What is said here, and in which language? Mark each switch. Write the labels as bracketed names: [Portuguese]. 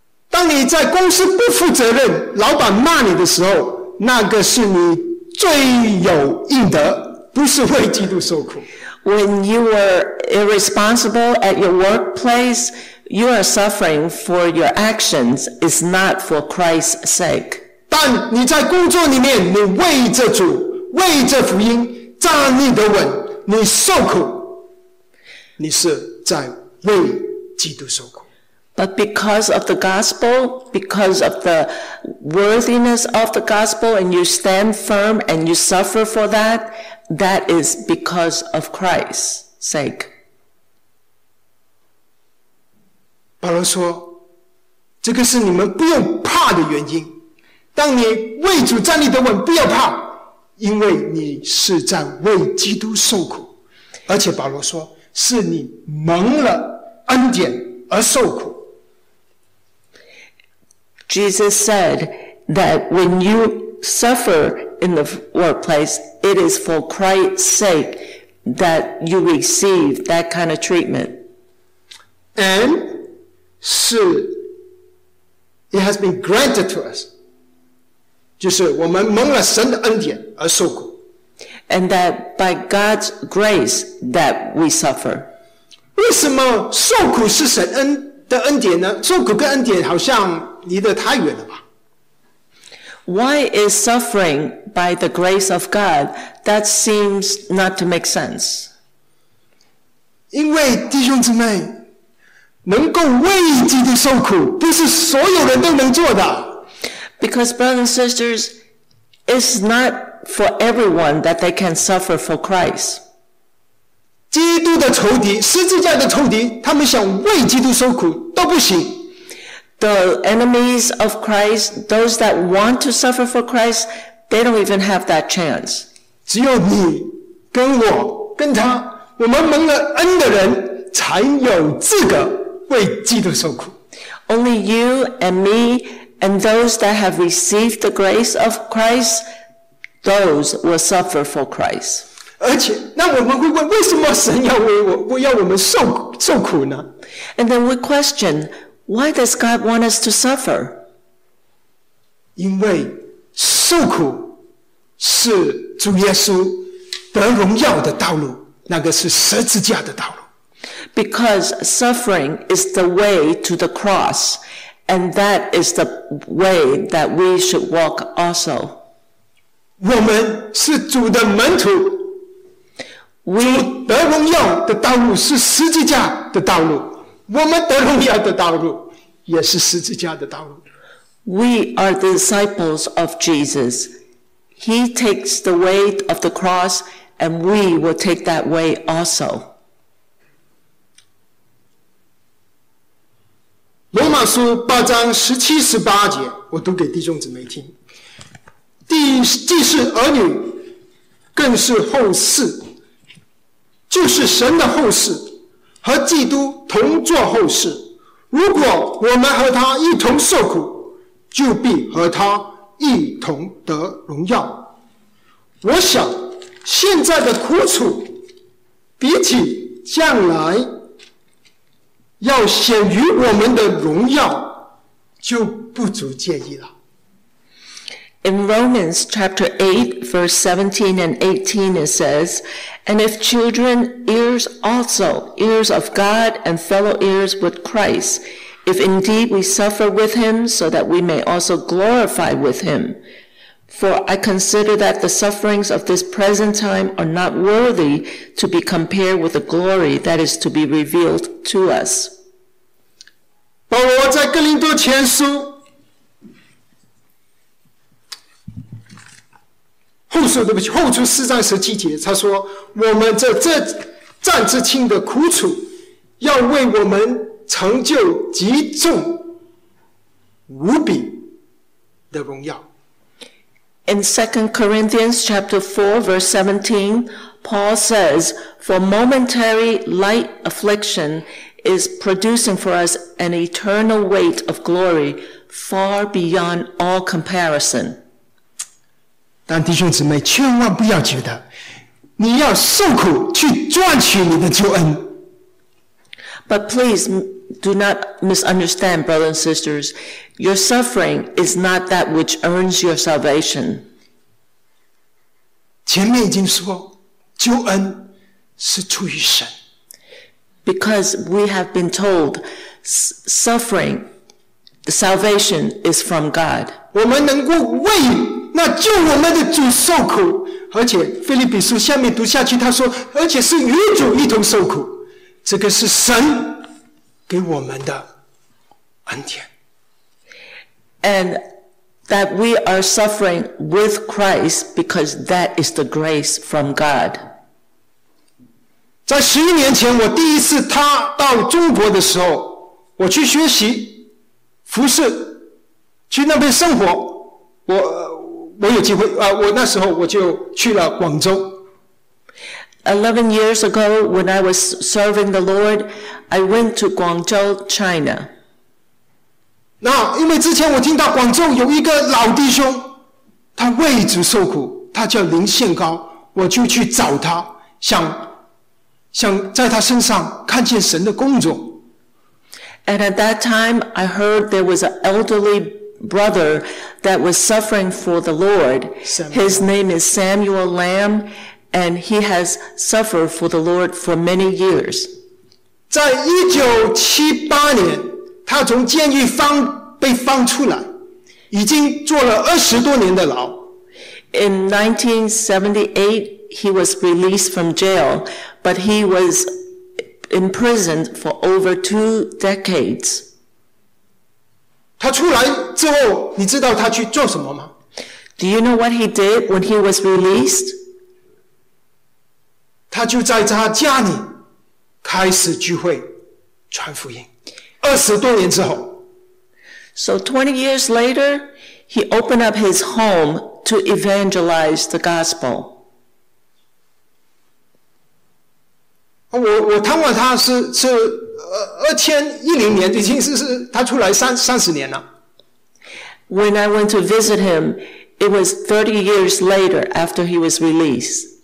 [Chinese] 当你在公司不负责任，老板骂你的时候，那个是你罪有应得，不是为基督受苦。 [English] When you were irresponsible at your workplace, you are suffering for your actions, it's not for Christ's sake. [Chinese] 但你在工作里面，你为着主，为着福音，站立得稳，你受苦，你是在为基督受苦。 [English] But because of the gospel, because of the worthiness of the gospel, and you stand firm and you suffer for that, that is because of Christ. sake. [Chinese] 保罗说，这个是你们不用怕的原因。当你为主站立得稳，不要怕，因为你是在为基督受苦。而且保罗说，是你蒙了恩典而受苦。 [English] Jesus said that when you suffer in the workplace, it is for Christ's sake that you receive that kind of treatment. And so it has been granted to us. [Chinese] 就是我们蒙了神的恩典而受苦。 [English] And that by God's grace that we suffer. [Chinese] 为什么受苦是神恩的恩典呢？受苦跟恩典好像离得太远了吧。 [English] Why is suffering by the grace of God? That seems not to make sense. [Chinese] 因为弟兄姊妹，能够为基督受苦，不是所有人都能做的。 [English] Because brothers and sisters, it's not for everyone that they can suffer for Christ. [Chinese] 基督的仇敌，十字架的仇敌，他们想为基督受苦都不行。 [English] The enemies of Christ, those that want to suffer for Christ, they don't even have that chance. [Chinese] 只有你跟我跟他，我们蒙了恩的人才有资格为基督受苦。 [English] Only you and me and those that have received the grace of Christ, those will suffer for Christ. [Chinese] 而且那我们会问，为什么神要我们受苦呢？ [English] And then we question,Why does God want us to suffer? [Chinese] 因为受苦是主耶稣得荣耀的道路，那个是十字架的道路。 [English] Because suffering is the way to the cross, and that is the way that we should walk also. [Chinese] 我们是主的门徒，主得荣耀的道路是十字架的道路，我们得荣耀的道路也是十字架的道路。 [English] We are the disciples of Jesus. He takes the way of the cross, and we will take that way also. [Chinese] 罗马书八章十七十八节，我读给弟兄姊妹听。既是儿女，更是后嗣，就是神的后嗣，和基督同作后嗣。如果我们和他一同受苦，就必和他一同得荣耀。我想现在的苦楚比起将来要显于我们的荣耀就不足介意了。 [English] In Romans chapter 8 verse 17 and 18 it says, And if children, heirs also, heirs of God and fellow heirs with Christ, if indeed we suffer with him, so that we may also glorify with him. For I consider that the sufferings of this present time are not worthy to be compared with the glory that is to be revealed to us. [Chinese] 保罗在哥林多前书后书四章十七节，他说：“我们这暂时轻的苦楚，要为我们成就极重无比的荣耀。” [English] In 2 Corinthians chapter 4 verse 17, Paul says, "For momentary light affliction is producing for us an eternal weight of glory far beyond all comparison." [Chinese] 但弟兄姊妹，千万不要觉得你要受苦去赚取你的救恩。 [English] But please do not misunderstand, brothers and sisters. Your suffering is not that which earns your salvation. [Chinese] 前面已经说，救恩是出于神。 [English] Because we have been told, suffering, the salvation is from God. [Chinese] 我们能够为那救我们的主受苦，而且腓立比书下面读下去，他说，而且是与主一同受苦，这个是神给我们的恩典。 [English] And that we are suffering with Christ because that is the grace from God. [Chinese] 在十一年前，我第一次他到中国的时候，我去学习服侍，去那边生活。我有机会啊，我那时候我就去了广州。 [English] 11 years ago, when I was serving the Lord, I went to Guangzhou, China. [Chinese] 那因为之前我听到广州有一个老弟兄，他为主受苦，他叫林献高，我就去找他，想在他身上看见神的工作。 [English] And at that time, I heard there was an elderly brother that was suffering for the Lord. His name is Samuel Lam, and he has suffered for the Lord for many years. [Chinese] 在1978年，他从监狱被放出来，已经坐了20多年的牢。 [English] In 1978,he was released from jail, but he was imprisoned for over 2 decades. [Chinese] 他出来之后，你知道他去做什么吗？ [English] Do you know what he did when he was released? [Chinese] 他就在他家里开始聚会传福音。 20多年之后。 [English] So 20 years later, he opened up his home to evangelize the gospel. [Chinese] 我探望他是2010年，已经是他出来30年了。 [English] When I went to visit him, it was 30 years later after he was released.